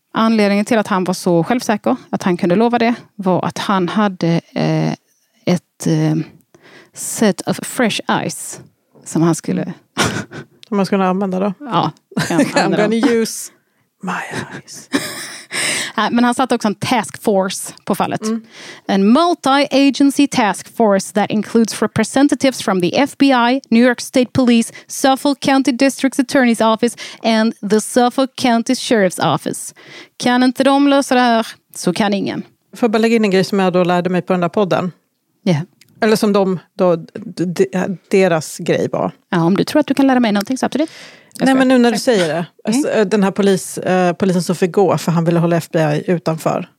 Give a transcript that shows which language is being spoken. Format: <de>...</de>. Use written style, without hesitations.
<sv>anledningen till att han var så självsäker att han kunde lova det var att han hade ett</sv> <en>set of fresh eyes</en> <sv>som han skulle... Som han skulle använda då? Ja.</sv> <en>I'm gonna use my eyes.</en> <sv>Men han satte också en task force på fallet. Mm.</sv> <en>En multi-agency task force that includes representatives from the FBI, New York State Police, Suffolk County District Attorney's Office and the Suffolk County Sheriff's Office.</en> <sv>Kan inte de lösa det här så kan ingen. Får jag bara lägga in en grej som jag då lärde mig på den där podden? Ja. Yeah. Eller som de då, deras grej var. Ja, om du tror att du kan lära mig någonting så absolut. Nej, men nu när du säger det. Mm. Den här polisen som fick gå för han ville hålla FBI utanför.</sv>